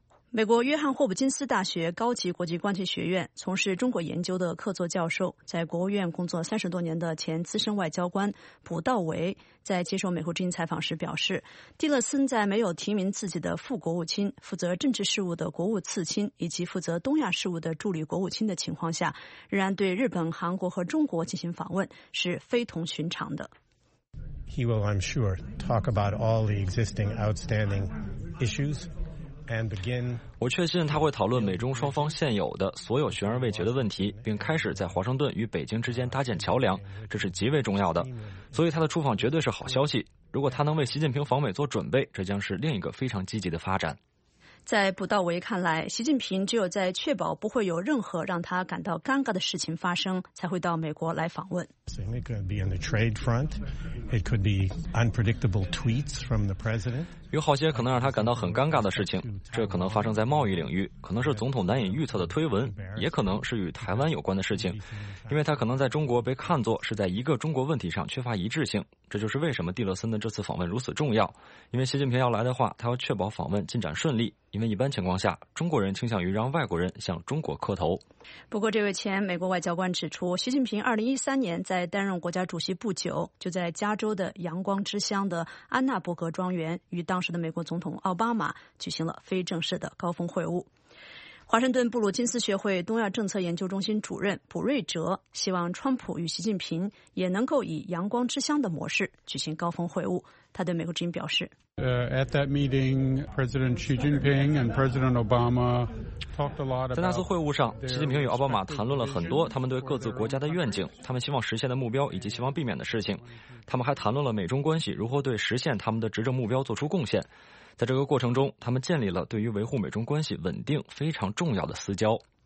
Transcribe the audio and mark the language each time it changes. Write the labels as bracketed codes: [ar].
[zh] 美国约翰霍普金斯大学高级国际关系学院从事中国研究的客座教授，在国务院工作30多年的前资深外交官卜道维在接受美国之音采访时表示，蒂勒森在没有提名自己的副国务卿、负责政治事务的国务次卿以及负责东亚事务的助理国务卿的情况下，仍然对日本、韩国和中国进行访问是非同寻常的。 [en] He will, I'm sure, talk about all the existing outstanding issues and begin. [zh] 我确信他会讨论美中双方现有的所有悬而未决的问题，并开始在华盛顿与北京之间搭建桥梁，这是极为重要的。所以他的出访绝对是好消息。如果他能为习近平访美做准备，这将是另一个非常积极的发展。在卜道维看来，习近平只有在确保不会有任何让他感到尴尬的事情发生，才会到美国来访问。 [en] It could be on the trade front. It could be unpredictable tweets from the president. [zh] 有好些可能让他感到很尴尬的事情，这可能发生在贸易领域，可能是总统难以预测的推文，也可能是与台湾有关的事情，因为他可能在中国被看作是在一个中国问题上缺乏一致性。这就是为什么蒂勒森的这次访问如此重要，因为习近平要来的话，他要确保访问进展顺利。因为一般情况下，中国人倾向于让外国人向中国磕头。不过，这位前美国外交官指出，习近平2013年在担任国家主席不久，就在加州的阳光之乡的安娜伯格庄园与当时的美国总统奥巴马举行了非正式的高峰会晤。华盛顿布鲁金斯学会东亚政策研究中心主任卜瑞哲希望川普与习近平也能够以阳光之乡的模式举行高峰会晤。他对美国之音表示 [en] At that meeting, President Xi Jinping and President Obama talked a lot about [zh] 在那次会晤上，习近平与奥巴马谈论了很多他们对各自国家的愿景、他们希望实现的目标以及希望避免的事情。他们还谈论了美中关系如何对实现他们的执政目标做出贡献。在这个过程中，他们建立了对于维护美中关系稳定非常重要的私交。